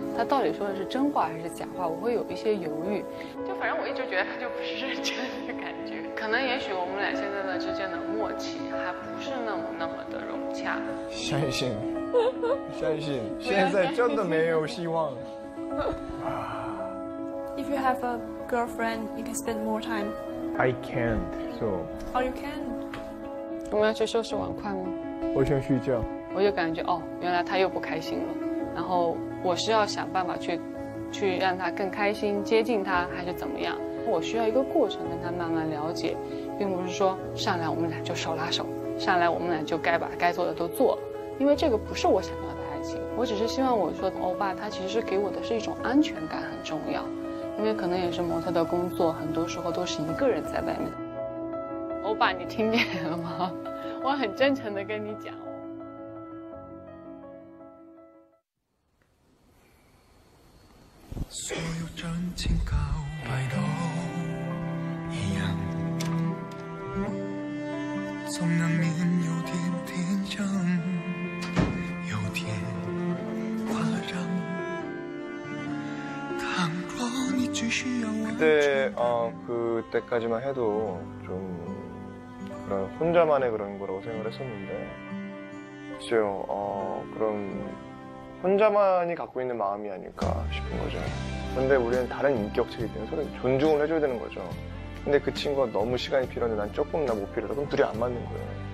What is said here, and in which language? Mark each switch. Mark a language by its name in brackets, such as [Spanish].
[Chinese] 她到底说的是真话还是假话，我会有一些犹豫，就反正我一直觉得她就不是认真的感觉。可能也许我们俩现在的之间的默契还不是那么的融洽。相信相信现在真的没有希望。 [English] If you have a girlfriend, you can spend more time. I can't, so. Oh, you can. [Chinese] 我们要去收拾碗筷吗？我想睡觉。我就感觉哦，原来他又不开心了。然后我是要想办法去让他更开心，接近他还是怎么样？我需要一个过程跟他慢慢了解，并不是说上来我们俩就手拉手，上来我们俩就该把该做的都做了，因为这个不是我想要的爱情。我只是希望我说的欧巴他其实给我的是一种安全感很重要，因为可能也是模特的工作，很多时候都是一个人在外面。欧巴，你听见了吗？我很真诚地跟你讲。所有真情告白都一样，总难免有点天真，有点夸张。倘若你只需要 [Korean] 我，그때까지만 해도 좀 그런 혼자만의 그런 거라고 생각을 했었는데, 글쎄요, 그런 혼자만이 갖고 있는 마음이 아닐까 싶은 거죠. 근데 우리는 다른 인격체이기 때문에 서로 존중을 해줘야 되는 거죠. 근데 그 친구가 너무 시간이 필요한데 난 조금이나 못 필요하다, 그럼 둘이 안 맞는 거예요.